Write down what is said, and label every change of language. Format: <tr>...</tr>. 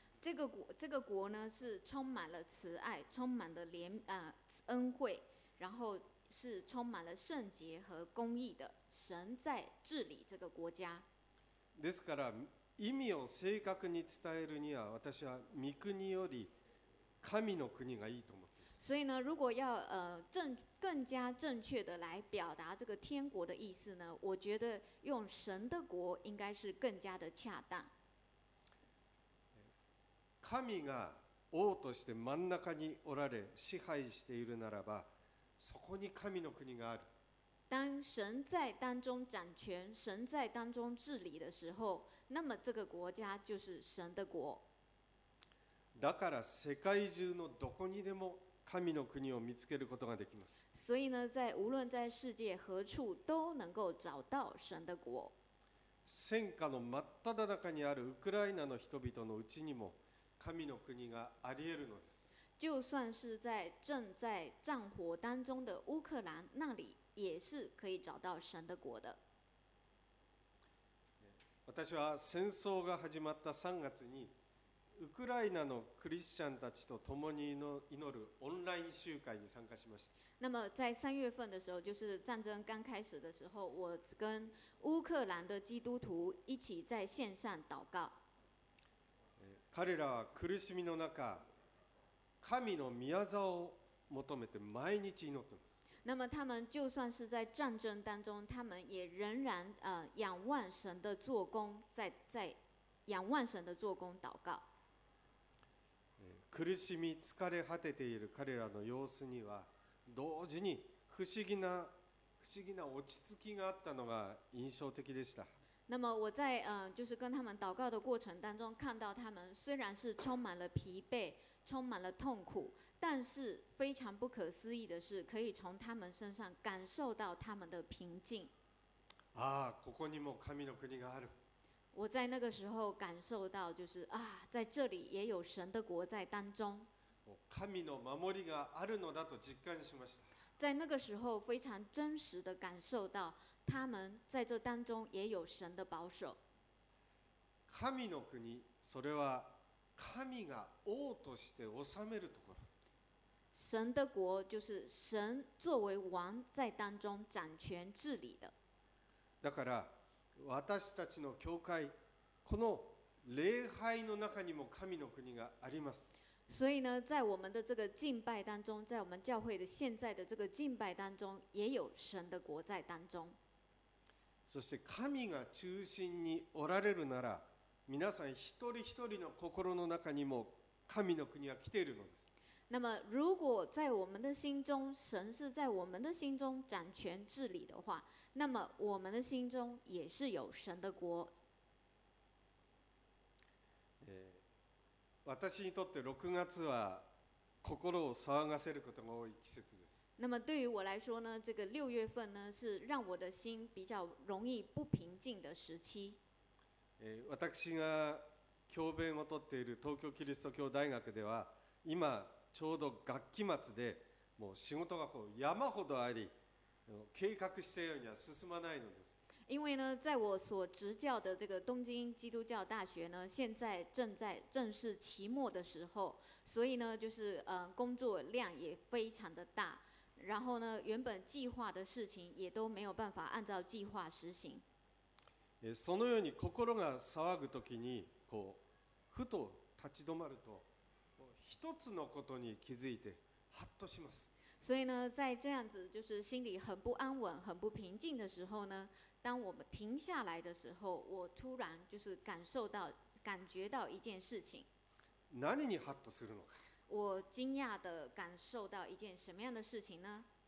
<zh>这个国呢是充满了慈爱，充满了怜恩惠，然后是充满了圣洁和公义的，神在治理这个国家。</zh> <ja>ですから意味を正確に伝えるには私は御国より神の国がいいと思っています。</ja> <zh>所以呢，如果要更加正确的来表达这个天国的意思呢，我觉得用神的国应该是更加的恰当。</zh> <ja>神が王として真ん中におられ支配しているならば、そこに神の国がある。</ja> <zh>当神在当中掌权、神在当中治理的时候、那么这个国家就是神的国。</zh> <ja>だから世界中のどこにでも神の国を見つけることができます。</ja> <zh>所以呢，在无论在世界何处都能够找到神的国。</zh> <ja>戦火の真っ只中にあるウクライナの人々のうちにも神の国がありえるのです。</ja> <zh>就算是在正在战火当中的乌克兰那里，也是可以找到神的国的。</zh> <ja>私は戦争が始まった3月に。ウクライナのクリスチャンたちと共に祈るオンライン集会に参加しました。</ja> <zh>那么在三月份的时候，就是战争刚开始的时候，我跟乌克兰的基督徒一起在线上祷告。</zh> <ja>彼らは苦しみの中、神の御業を求めて毎日祈っています。</ja> <zh>那么他们就算是在战争当中，他们也仍然仰望神的做工，在仰望神的做工祷告。</zh> <ja>苦しみ疲れ果てている彼らの様子には同時に不思議な落ち着きがあったのが印象的でした。</ja> <zh>那么我在就是跟他们祷告的过程当中，看到他们虽然是充满了疲惫，充满了痛苦，但是非常不可思议的是，可以从他们身上感受到他们的平静。</zh> <ja>啊，ここにも神の国がある。</ja> <zh>我在那个时候感受到，就是啊，在这里也有神的国在当中。</zh> <ja>神の守りがあるのだと実感しました。</ja> <zh>在那个时候，非常真实的感受到，他们在这当中也有神的保守。</zh> <ja>神の国、それは神が王として治めるところ。</ja> <zh>神的国就是神作为王在当中掌权治理的。</zh> <ja>だから。私たちの教会、この礼拝の中にも神の国があります。</ja> <zh>所以呢，在我们的这个敬拜当中，在我们教会的现在的这个敬拜当中，也有神的国在当中。</zh> <ja>そして神が中心におられるなら、皆さん一人一人の心の中にも神の国は来ているのです。</ja> <zh>那么，如果在我们的心中，神是在我们的心中掌权治理的话，那么我们的心中也是有神的国。</zh> <ja>私にとって6月は心を騒がせることが多い季節です。</ja> <zh>那么对于我来说呢，这个六月份呢是让我的心比较容易不平静的时期。</zh> <ja>私が教鞭をとっている東京キリスト教大学では今。ちょうど学期末でもう仕事がこう山ほどあり、計画したようには進まないのです。</ja> <zh>因为呢，在我所执教的这个东京基督教大学呢，现在正在正式期末的时候，所以呢，就是工作量也非常的大，然后呢，原本计划的事情也都没有办法按照计划实行。</zh> <ja>そのように心が騒ぐときに、こうふと立ち止まると。一つのことに気づいてハッとします。</ja> <zh>所以呢，在这样子就是心里很不安稳、很不平静的时候呢，当我们停下来的时候，我突然就是感觉到一件事情。</zh> <ja>何にハッとするのか。</ja> <zh>我惊讶的感受到一件什么样的事情呢？</zh>